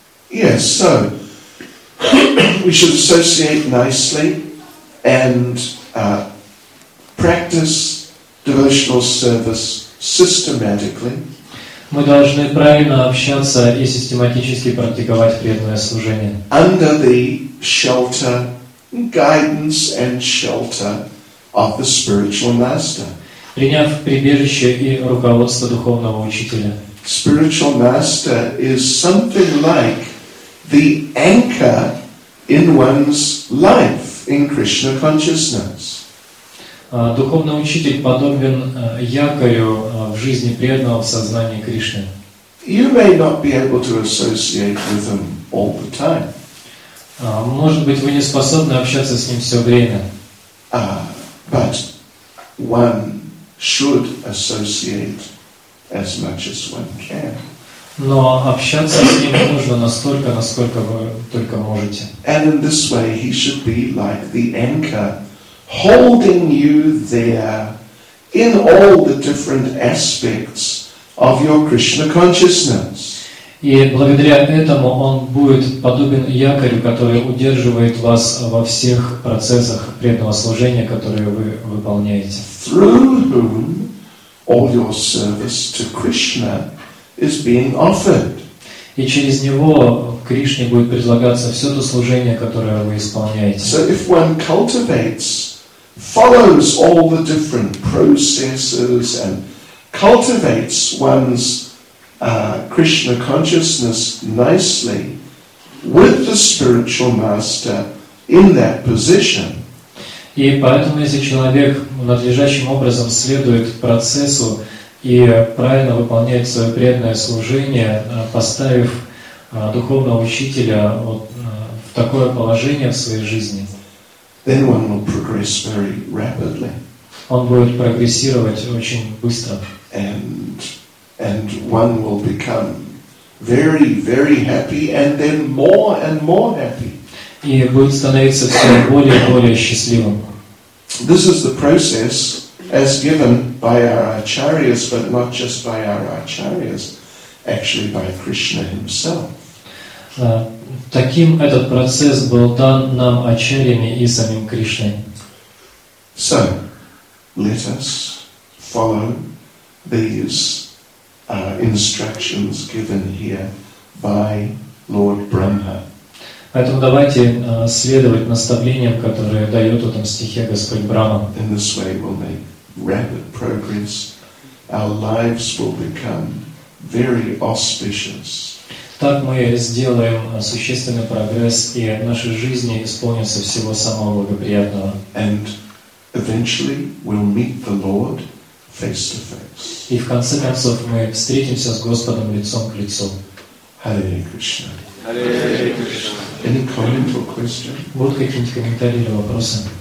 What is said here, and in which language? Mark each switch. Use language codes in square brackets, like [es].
[en] Yes, so we should associate nicely and practice devotional service systematically. [ru] Мы должны правильно общаться и систематически практиковать преданное служение. [en] Under the shelter, guidance and shelter of the spiritual master. [ru] Приняв прибежище и руководство духовного учителя. [en] Spiritual master is something like the anchor in one's life in Krishna consciousness. [ru] Духовный учитель подобен якорю в жизни преданного в сознании Кришны. [en] You may not be able to associate with him all the time. [ru] Может быть, вы не способны общаться с ним все время. [en] But one should associate as much as one can. [ru] Но общаться с ним нужно настолько, насколько вы только можете. [en] And in this way he should be like the anchor, holding you there in all the different aspects of your Krishna consciousness. [ru] И благодаря этому он будет подобен якорю, который удерживает вас во всех процессах преданного служения, которые вы выполняете. [en] Through whom all your service to Krishna is being offered. [ru] И через него Кришне будет предлагаться все то служение, которое вы исполняете. [en] So if one cultivates, follows all the different processes and cultivates one's Krishna consciousness nicely with the spiritual master in that position. [ru] И поэтому, если человек надлежащим образом следует процессу и правильно выполняет свое преданное служение, поставив духовного учителя вот в такое положение в своей жизни, [en] then one will progress very rapidly. [ru] Он будет прогрессировать очень быстро. [en] And one will become very, very happy, and more happy. [ru] И будет становиться все более и более счастливым. [en] This is the process as given by our acharyas, but not just by our acharyas, actually by Krishna himself. [ru] Таким этот процесс был дан нам ачарьями и самим Кришной. [en] So, let us follow these instructions given here by Lord Brahma. [ru] Поэтому давайте следовать наставлениям, которые дает в этом стихе Господь Брахма. [en] In this way we'll make rapid progress. Our lives will become very auspicious. [ru] Так мы сделаем существенный прогресс, и наши жизни исполнятся всего самого благоприятного. [en] And eventually we'll meet the Lord face to face. [ru] И в конце концов мы встретимся с Господом лицом к лицу. [en] Hare Krishna. [ru] Hare Krishna. [en] Any comment or question? [ru] Вот какие-нибудь комментарии или вопросы?